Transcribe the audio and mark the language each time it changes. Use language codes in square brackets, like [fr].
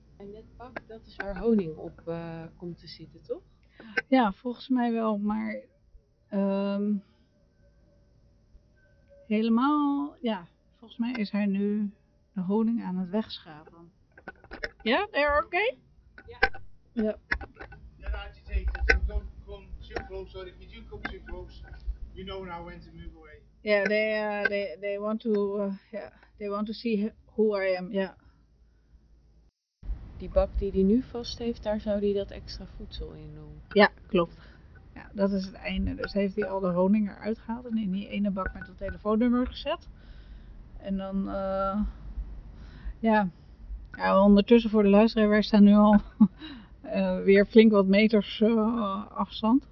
[nl] En net pak, dat is waar honing op komt te zitten, toch? Ja, volgens mij wel, maar... helemaal, ja, volgens mij is hij nu de honing aan het wegschapen. [en] Ja, they are okay? [nl] Ja. Ja. Ja, laat je het eten. [en] Don't come too close, or if you do come too close, you know now when to move away. Ja, yeah, they want to, they want to see who I am, ja. Yeah. [nl] Die bak die hij nu vast heeft, daar zou hij dat extra voedsel in doen. Ja, klopt. Ja, dat is het einde. Dus heeft hij al de honing eruit gehaald en in die ene bak met het telefoonnummer gezet. En dan, ondertussen voor de luisteraar, wij staan nu al weer flink wat meters afstand.